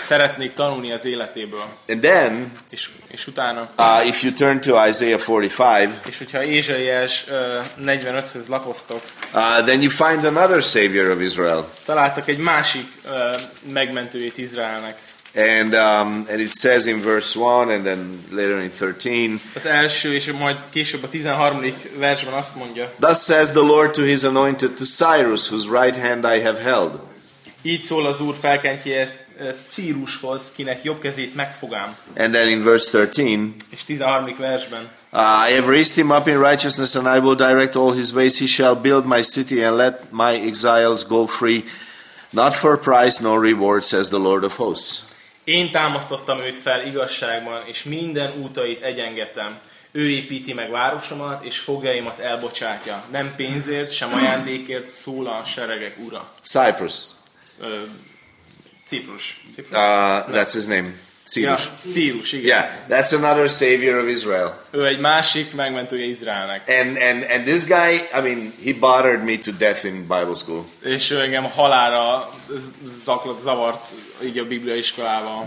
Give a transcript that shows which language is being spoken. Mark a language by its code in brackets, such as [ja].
[hu] Szeretnék tanulni az életéből. [en] And then... [hu] És utána... [en] If you turn to Isaiah 45... [hu] És hogyha Ézsaiás 45-höz lapoztok... [en] Then you find another savior of Israel. [hu] Találtak egy másik megmentőjét Izraelnek. [en] And it says in verse 1 and then later in 13. [hu] Az első és majd később a 13. versben azt mondja. [en] Thus says the Lord to his anointed, to Cyrus, whose right hand I have held. [hu] Így szól az Úr felkentjéhez, Círushoz, kinek jobb kezét megfogám. [en] And then in verse 13. [hu] És 13. versben. [en] I have raised him up in righteousness and I will direct all his ways. He shall build my city and let my exiles go free. Not for price nor reward, says the Lord of hosts. [hu] Én támasztottam őt fel igazságban, és minden útait egyengetem. Ő építi meg városomat, és fogjaimat elbocsátja. Nem pénzért, sem ajándékért szól a seregek ura. [en] Cyprus. Cyprus. That's his name. Cyrus, [hu] igen. [en] Yeah, that's another savior of Israel. [hu] Ő egy másik megmentője Izraelnek. [en] And this guy, I mean, he bothered me to death in Bible school. [hu] És ő engem halára zavart így a Biblia iskolában.